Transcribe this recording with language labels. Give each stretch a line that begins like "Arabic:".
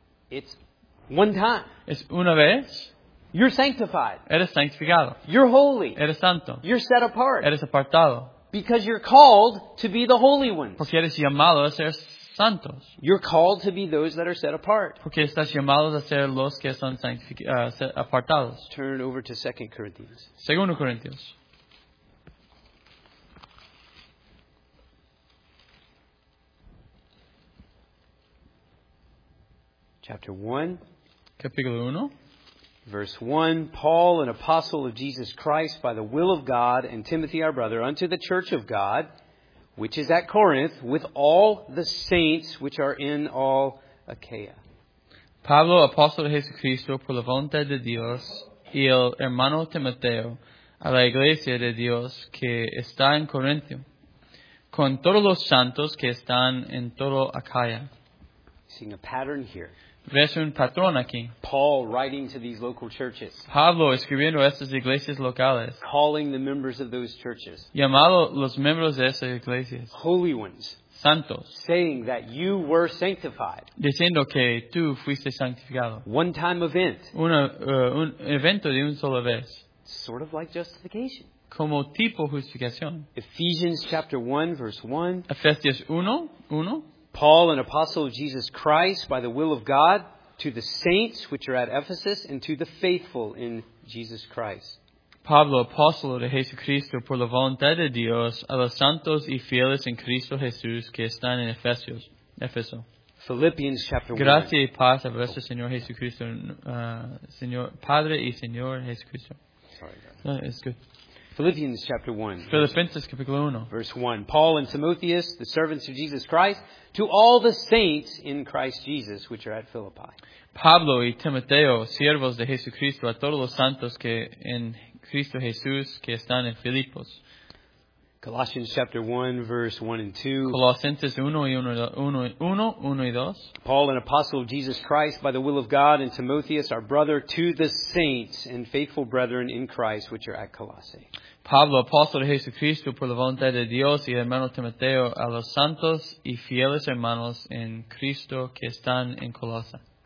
English: It's one time.
Spanish: Es una vez.
English: You're sanctified.
Spanish: Eres santificado.
English: You're holy.
Spanish: Eres santo.
English: You're set apart.
Spanish: Eres apartado.
English: Because you're called to be the holy ones.
Spanish: Porque eres llamado a ser santos.
English: You're called to be those that are set apart.
Spanish: Porque estás llamado a ser los que son apartados.
English: Turn over to 2 Corinthians.
Spanish: Segundo Corintios.
English: Chapter 1.
Spanish: Capítulo 1.
English: Verse 1, Paul, an apostle of Jesus Christ, by the will of God, and Timothy, our brother, unto the church of God, which is at Corinth, with all the saints which are in all Achaia.
Spanish: Pablo, apóstol de Jesucristo, por la voluntad de Dios, y el hermano Timoteo, a la iglesia de Dios que está en Corinto, con todos los santos que están en todo Achaia.
English: Seeing a pattern here.
Spanish: Ves un patrón aquí.
English: Paul writing to these local churches.
Spanish: Pablo escribiendo a estas iglesias locales.
English: Calling the members of those churches.
Spanish: Llamado los miembros de esas iglesias.
English: Holy ones.
Spanish: santos.
English: Saying that you were sanctified.
Spanish: Diciendo que tú fuiste santificado.
English: One time event.
Spanish: Un evento de una sola vez.
English: Sort of like justification.
Spanish: Como tipo justificación.
English: Ephesians chapter 1 verse 1.
Spanish: Efesios 1:1.
English: Paul, an apostle of Jesus Christ by the will of God, to the saints which are at Ephesus and to the faithful in Jesus Christ.
Spanish: Pablo, apóstolo de Jesucristo por la voluntad de Dios, a los santos y fieles en Cristo Jesús que están en Efesios, Éfeso.
English: Philippians chapter 1.
Spanish: Gracias y paz a vuestro Señor Jesucristo, Señor Padre y Señor Jesucristo.
English: Sorry, God. No, it's good. Philippians chapter 1.
Spanish: Filipenses capítulo 1.
English: Verse 1. Paul and Timotheus, the servants of Jesus Christ, to all the saints in Christ Jesus, which are at Philippi.
Spanish: Pablo y Timoteo, siervos de Jesucristo, a todos los santos que en Cristo Jesús que están en Filipos.
English: Colossians chapter 1, verse 1 and 2.
Spanish: Colosenses 1:1-2.
English: Paul, an apostle of Jesus Christ by the will of God, and Timotheus, our brother, to the saints and faithful brethren in Christ, which are at Colossae.
Spanish: Pablo, apóstol de Jesucristo, por la voluntad de Dios, y hermano Timoteo, a los santos y fieles hermanos en Cristo que están en Colosa.